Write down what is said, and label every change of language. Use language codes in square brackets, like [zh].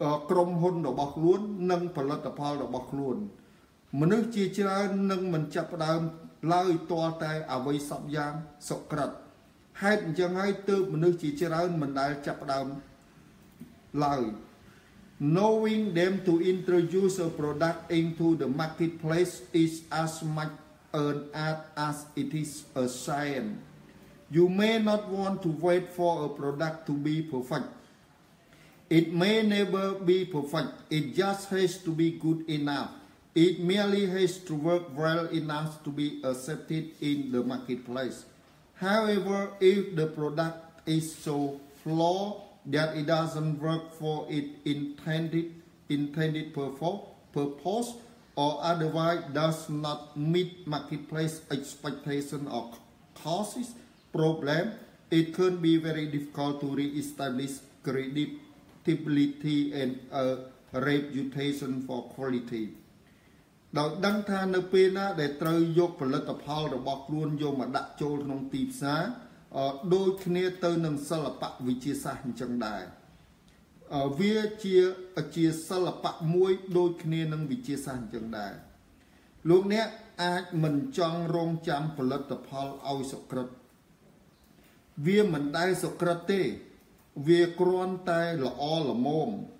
[km] ក្រុមហ៊ុនរបស់ខ្លួននិងផលិតផលរបស់ខ្លួនមនុស្សជាច្រើននឹងមិនចាប់ផ្ដើមឡើយទាល់តែអ្វីសោះយ៉ាងសុក្រិតហេតុអញ្ចឹងហើយទើបមនុស្សជាច្រើនមិនដែលចាប់ផ្ដើមឡើយ [en] Knowing them to introduce a product into the marketplace is as much an art as it is a science. You may not want to wait for a product to be perfect. It may never be perfect. It just has to be good enough. It merely has to work well enough to be accepted in the marketplace. However, if the product is so flawed that it doesn't work for its intended purpose, or otherwise does not meet marketplace expectation or causes problem, it could be very difficult to re-establish credibility and a reputation for quality. [km] ដល់ដឹងថានៅពេលណាដែលត្រូវយកផលិតផលរបស់ខ្លួនយកមកដាក់ចូលក្នុងទីផ្សារដូចគ្នាទៅនឹងសិល្បៈវិជាសាស្ត្រអញ្ចឹងដែរវាជាសិល្បៈមួយដូចគ្នានឹងវិជាសាស្ត្រអញ្ចឹងដែរលោកអ្នកអាចមិនចង់រងចាំផលិតផលឲ្យសុក្រិតវាមិនដែលសុក្រិតទេវាគ្រាន់តែល្អល្មម